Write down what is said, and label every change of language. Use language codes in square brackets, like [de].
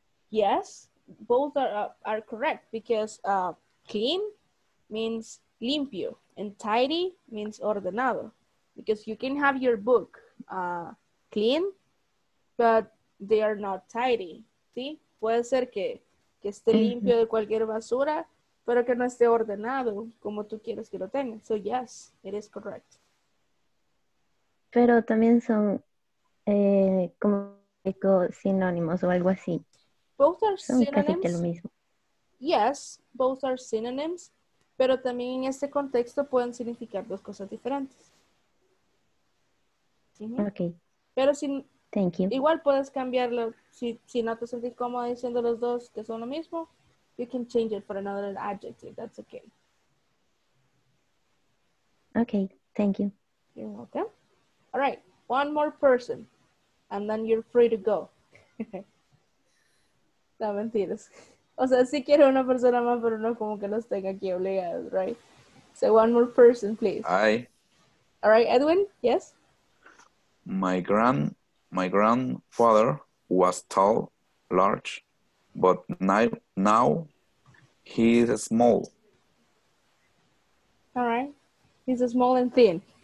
[en] Yes, both are correct because clean means limpio and tidy means ordenado. Because you can have your book clean, but they are not tidy. [es] ¿Sí? Puede ser que esté limpio de cualquier basura, pero que no esté ordenado como tú quieres que lo tenga. [en] So yes, it is correct. [es] Pero también son como sinónimos o algo así. [en] Both are [es] son [en] synonyms. [es] Casi que lo mismo. [en] Yes, both are synonyms, [es] pero también en este contexto pueden significar dos cosas diferentes. [en] Mm-hmm. Okay. [es] Pero sin, [en] thank you. [es] Igual puedes cambiarlo si no te sentís cómodo diciendo los dos que son lo mismo. [en] You can change it for another adjective. That's okay. Okay, thank you. You're welcome. All right, one more person, and then you're free to go. [es] No, mentiras. O sea, sí quiero una persona más, pero no como que los tenga aquí obligados, right? [en] So one more person, please. Hi. All right, Edwin, yes? My grandfather was tall, large, but now he is small. All right. He's small and thin.